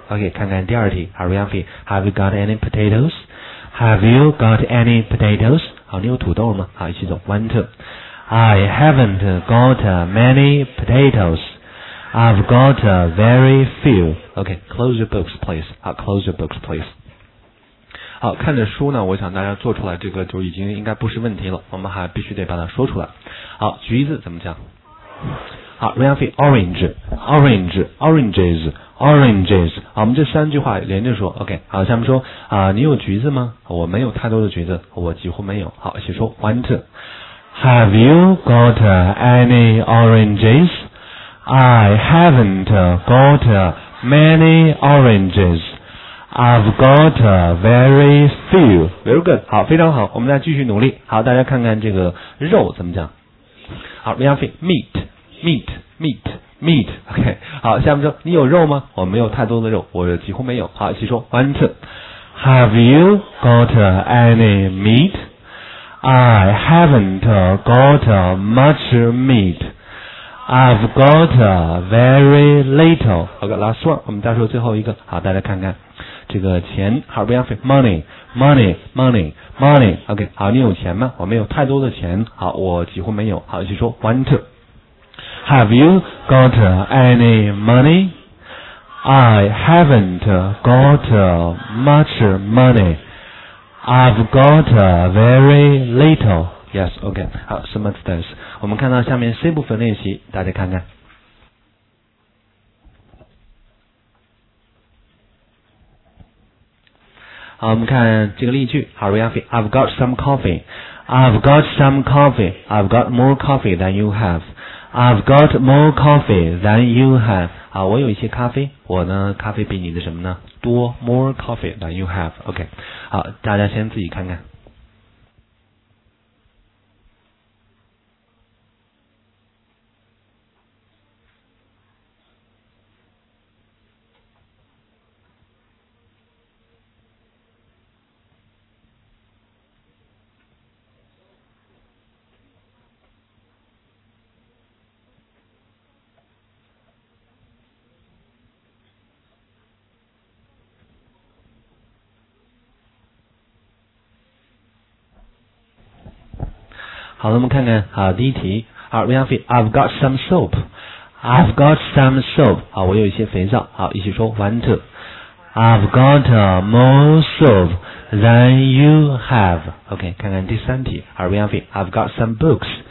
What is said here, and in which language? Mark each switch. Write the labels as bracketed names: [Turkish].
[English] OK, [Chinese] 看看第二题好 [English] Ralphie, have you got any potatoes? Have you got any potatoes? [Chinese] 好你有土豆吗好一起走 [English] one, two. I haven't got many potatoes. I've got very few. OK, close your books, please. 好 close your books, please. [Chinese] 好看着书呢我想大家做出来这个就已经应该不是问题了我们还必须得把它说出来。好橘子怎么讲好 , [English] Ralphie, orange, orange, oranges, oranges. [Chinese] 好我们这三句话连着说 ,OK, 好下面说你有橘子吗我没有太多的橘子我几乎没有。好一起说 [English] one, two. Have you got any oranges? I haven't got many oranges. I've got very few. Very good. [Chinese] 好，非常好，我们再继续努力。好，大家看看这个肉怎么讲。 [English] 好， we have meat, meat, meat, meat. [Chinese] OK. 好，下面说你有肉吗？我没有太多的肉，我几乎没有。好，一起说 [English] one, two. Have you got any meat? I haven't got much meat. I've got very little. OK, last one. [Chinese] 我们再说最后一个。好，大家看看。这个钱 [English] ，How much money? Money, money, money. OK， [Chinese] 好，你有钱吗？我没有太多的钱。好，我几乎没有。好，一起说 ， [English] One, two. Have you got any money? I haven't got much money. I've got very little. Yes, OK. 好 ，so much thanks. [Chinese] 我们看到下面 C 部分练习，大家看看。好，我们看这个例句。 [English] 好 ，Rafi， I've got some coffee. I've got some coffee. I've got more coffee than you have. I've got more coffee than you have. [Chinese] 好，我有一些咖啡，我呢，咖啡比你的什么呢？多 [English] ，more coffee than you have. [Chinese] OK， 好，大家先自己看看。好，我们看看啊，第一题啊 ，Rafi， [English] I've got some soap， I've got some soap， [Chinese] 好，我有一些肥皂，好，一起说 ， [English] one two， I've got more soap than you have， OK， [Chinese] 看看第三题啊 [English] ，Rafi， I've got some books，